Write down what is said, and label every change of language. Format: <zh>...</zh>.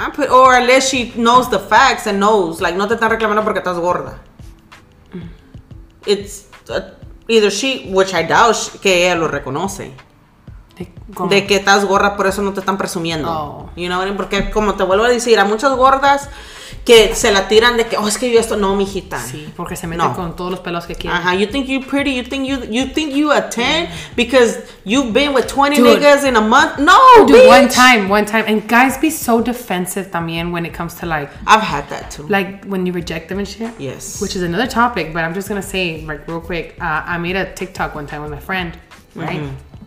<en>Or unless she knows the facts and knows.</en> <es>Like, no te están reclamando porque estás gorda.</es> <en>It's either she, which I doubt,</en> <es>que ella lo reconoce. De que estás gorda, por eso no te están presumiendo. Oh.</es> <en>You know what I mean?</en> <es>Porque como te vuelvo a decir, a muchas gordas que se la tiran de que, oh, es que yo esto. No, mijita. Sí, porque se mete no con todos los pelos que quieren.</es> <en>Ajá, you think you're pretty, you think you a 10, yeah, because you've been with 20 dude niggas in a month. No, dude, bitch. One time. And guys be so defensive también when it comes to like. I've had that too. Like when you reject them and shit. Yes. Which is another topic, but I'm just going to say like real quick. I made a TikTok one time with my friend, right? Mm-hmm.</en>